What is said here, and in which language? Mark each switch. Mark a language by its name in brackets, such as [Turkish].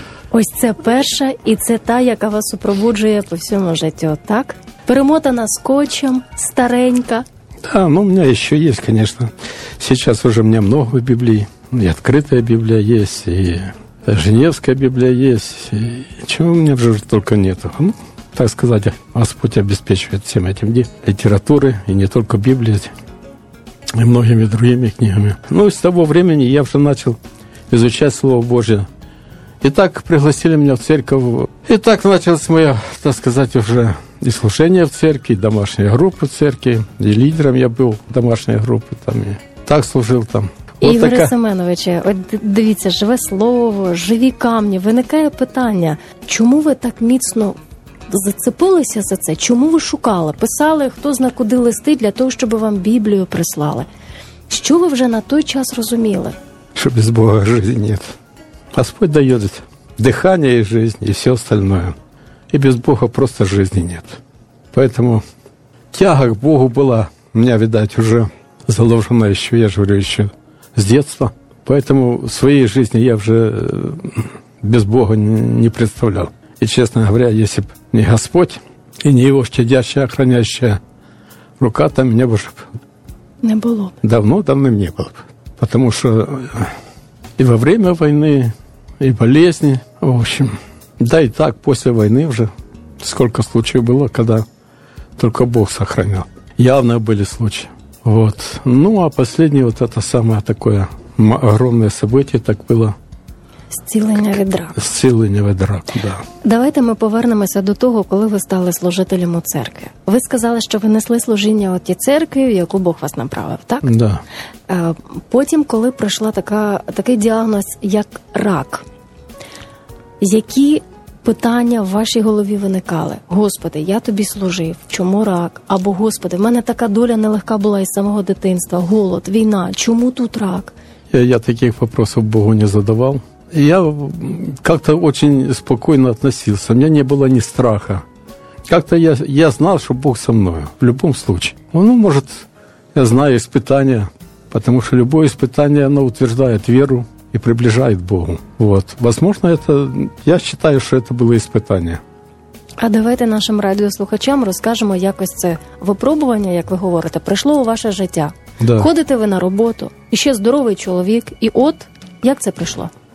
[Ukrainian] Ось це перша, і це та, яка вас супроводжує по всьому життю, так? Перемотана скотчем, старенька. [Russian] Да, ну, у меня еще есть, конечно. Сейчас уже у меня много Библии. и открытая Библия есть, и Женевская Библия есть. И чего у меня в жизни только нету? Ну, так сказать, Господь обеспечивает всем этим литературы, и не только Библией, и многими другими книгами. Ну, и с того времени я уже начал изучать Слово Божие. И так пригласили меня в церковь. И так началось мое, так сказать, уже и служение в церкви, и домашняя группа в церкви. И лидером я был домашней группы там. И так служил там. [Ukrainian] Вот Ігоре така... Семеновичу, от дивіться, живе слово, живі камні. Виникає питання, чому ви так міцно зацепилися за це? Чому ви шукали? Писали, хто зна куди листи для того, щоб вам Біблію прислали? Що ви вже на той час розуміли? Що без Бога житті нет. Господь дає дихання і життя, і [Russian] все остальное. [Ukrainian] І без Бога просто житті нет. [Russian] Поэтому тяга к Богу [Ukrainian] була, у мене, видать, вже заложена, ще, я ж говорю, ще з дитинства. Поэтому в своїй житті я вже без Бога не представляв. І, чесно говоря, якщо б не Господь і не Його щадяща, охраняюча рука, то мене б вже не було б. Давно не було б. [Russian] Потому что и во время войны, и болезни, в общем, да и так после войны уже, сколько случаев было, когда только Бог сохранял. Явно были случаи. Вот. Ну, а последнее вот это самое такое огромное событие так было. [Ukrainian] Зцілення від раку. Зцілення від раку, да. Давайте ми повернемося до того, коли ви стали служителем у церкві. Ви сказали, що ви несли служіння у тій церкві, в яку Бог вас направив, так? Да. Потім, коли пройшла такий діагноз, як рак, які питання в вашій голові виникали? Господи, я тобі служив, чому рак? Або, Господи, в мене така доля нелегка була із самого дитинства. Голод, війна, чому тут рак? [Russian] Я таких вопросів Богу не задавав. Я как-то очень спокойно относился. У меня не было ни страха. Как-то я знал, что Бог со мною в любом случае. Ну, может, я знаю испытания, потому что любое испытание, оно утверждает веру и приближает Богу. Вот. Возможно, это, я считаю, что это было испытание. [Ukrainian] А давайте нашим радіослухачам розкажемо, якось це випробування, як ви говорите, прийшло у ваше життя. Да. Ходите ви на роботу, і ще здоровий чоловік, і от як це прийшло?